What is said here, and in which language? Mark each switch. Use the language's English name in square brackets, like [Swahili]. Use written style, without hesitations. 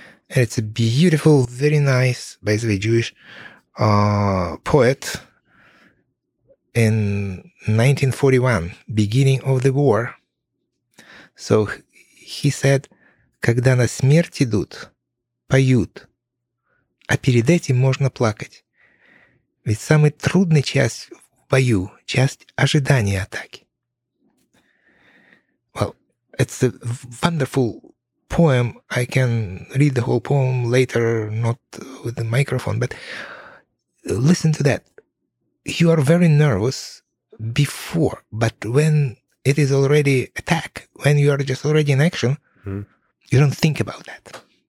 [English] And it's a beautiful, very nice, basically Jewish poet in 1941, beginning of the war. So he said, [Russian] когда на смерть идут, поют, а перед этим можно плакать. Ведь самый трудный час в бою, часть ожидания атаки. [English] Well, it's a wonderful poem. I can read the whole poem later, not with the microphone, but listen to that. You are very nervous before, but when it is already attack, when you are just already in action, you don't think about that.